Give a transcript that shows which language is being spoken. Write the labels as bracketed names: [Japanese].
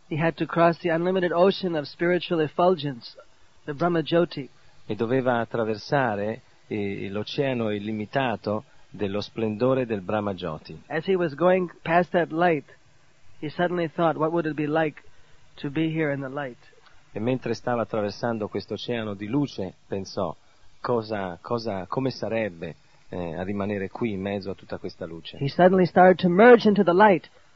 [English] He had to cross the unlimited ocean of spiritual effulgence, the Brahma Jyoti. [Italian] E doveva attraversare l'oceano illimitato dello splendore del Brahma Jyoti. [English] As he was going past that light, he suddenly thought, what would it be like to be here in the light? [Italian] E mentre stava attraversando questo oceano di luce, pensò, come sarebbe a rimanere qui in mezzo a tutta questa luce? [English] He suddenly started to merge into the light.